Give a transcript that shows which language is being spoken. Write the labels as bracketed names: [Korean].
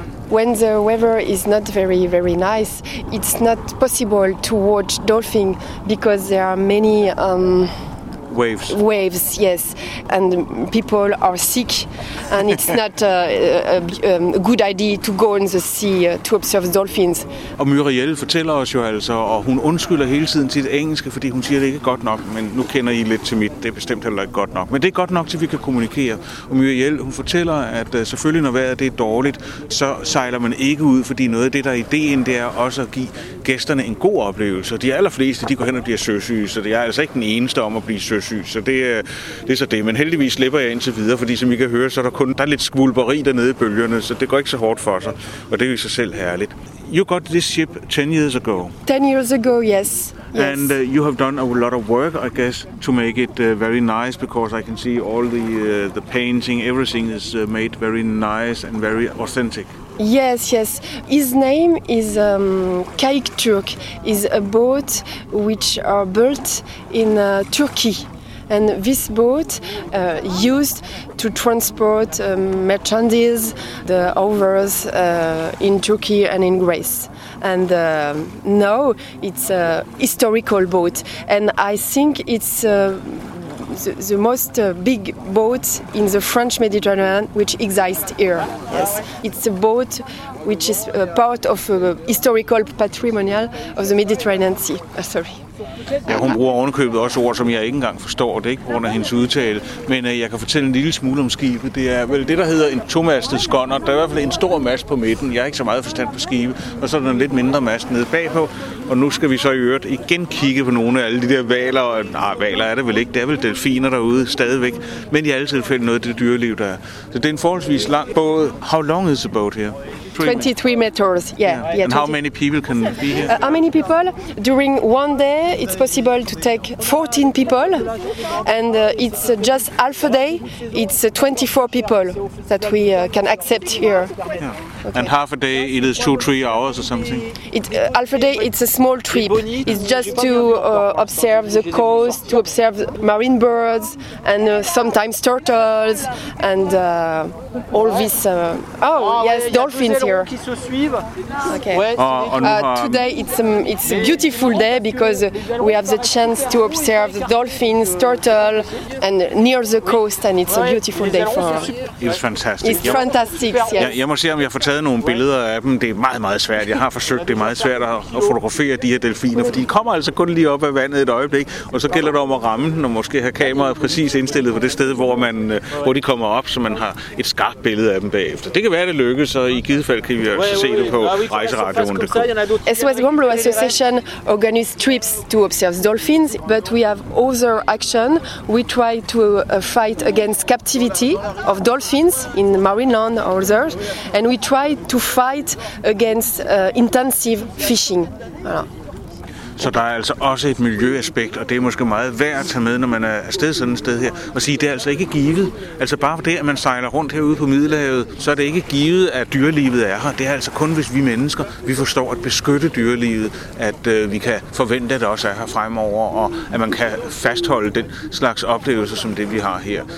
[English] When the weather is not very, very nice, it's not possible to watch dolphins because there are many waves, yes, and people are sick, and it's not a good idea to go in the sea to observe dolphins. [Danish] Og Muriel fortæller os jo altså, og hun undskylder hele tiden sit engelske, fordi hun siger, det ikke er godt nok, men nu kender I lidt til mit, det er bestemt heller ikke godt nok. Men det er godt nok, til vi kan kommunikere. Og Muriel, hun fortæller, at selvfølgelig, når vejret det er dårligt, så sejler man ikke ud, fordi noget af det, der er ideen, det er også at give gæsterne en god oplevelse. De allerfleste, de går hen og bliver søsyge, så det er altså ikke den eneste om at blive søsyge. Så det er så det. Men heldigvis slipper jeg indtil videre, fordi som I kan høre, så er der kun der er lidt skvulperi dernede i bølgerne, så det går ikke så hårdt for sig, og det er jo i sig selv herligt. [English] You got this ship 10 years ago. 10 years ago, yes. And you have done a lot of work, I guess, to make it very nice, because I can see all the painting, everything is made very nice and very authentic. Yes, yes. His name is Kayık Türk. It's a boat which are built in Turkey. And this boat used to transport merchandise, the overs in Turkey and in Greece. And now it's a historical boat. And I think it's the most big boat in the French Mediterranean which exists here. Yes, it's a boat which is part of a historical patrimonial of the Mediterranean Sea. [Danish] Ja, hun bruger ovenkøbet også ord, som jeg ikke engang forstår, det er ikke på grund af hendes udtale, men jeg kan fortælle en lille smule om skibet. Det er vel det, der hedder en tomastet skonner. Der er i hvert fald en stor mast på midten. Jeg har ikke så meget forstand på skibet, og så er der en lidt mindre mast nede bagpå, og nu skal vi så i øvrigt igen kigge på nogle af alle de der valer. Nej, valer er det vel ikke. Det er vel delfiner derude stadigvæk, men i alle tilfælde noget af det dyreliv, der er. Så det er en forholdsvis lang båd. [English] How long is the boat here? 23 meters, yeah. And how many people can be here? How many people? During one day, it's possible to take 14 people, and it's just half a day, it's 24 people that we can accept here. Yeah. Okay. And half a day, it is 2-3 hours or something? Half a day, it's a small trip. It's just to observe the coast, to observe marine birds, and sometimes turtles, and all this. Oh, yes, dolphins here. Okay. Today it's a beautiful day because we have the chance to observe the dolphins, turtle, and near the coast, and it's a beautiful day for us. It's fantastic. It's fantastic. Yes. [Danish] Jeg må se om jeg får taget nogle billeder af dem. Det er meget, meget svært. Jeg har forsøgt, det er meget svært at fotografere de her delfiner, fordi de kommer altså kun lige op af vandet et øjeblik, og så gælder det om at ramme den, og måske have kameraet præcis indstillet på det sted, hvor de kommer op, så man har et skarpt billede af dem bagefter. Det kan være, det lykkes, og i givet fald kan vi altså se det på rejseradioen.dk. [English] SOS Gombloux Association organizes trips to observe dolphins, but we have other action. We try to fight against captivity of dolphins in Marineland or others, and we try to fight against intensive fishing. [French] Voilà. [Danish] Så der er altså også et miljøaspekt, og det er måske meget værd at tage med, når man er afsted sådan et sted her, og sige, det er altså ikke givet. Altså bare for det, at man sejler rundt herude på Middelhavet, så er det ikke givet, at dyrelivet er her. Det er altså kun, hvis vi mennesker, vi forstår at beskytte dyrelivet, at vi kan forvente, at det også er her fremover, og at man kan fastholde den slags oplevelser, som det vi har her.